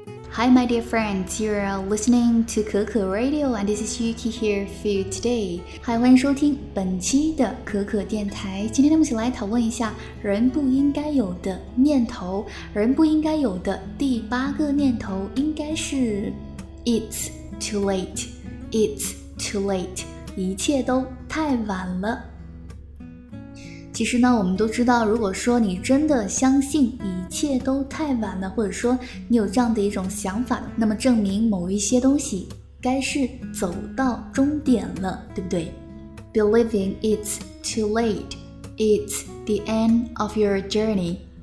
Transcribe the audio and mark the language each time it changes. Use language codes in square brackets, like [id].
[en] Hi, my dear friends, you are listening to 可可 Radio, and this is Yuki here for you today. [zh] Hi, 欢迎收听本期的可可电台。今天我们一起来讨论一下人不应该有的念头。人不应该有的第八个念头应该是 [en] It's too late. It's too late. [zh] 一切都太晚了。其实呢，我们都知道，如果说你真的相信一切都太晚了，或者说你有这样的一种想法，那么证明某一些东西该是走到终点了，对不对？ [en] Believing it's too late, it's the end of your journey.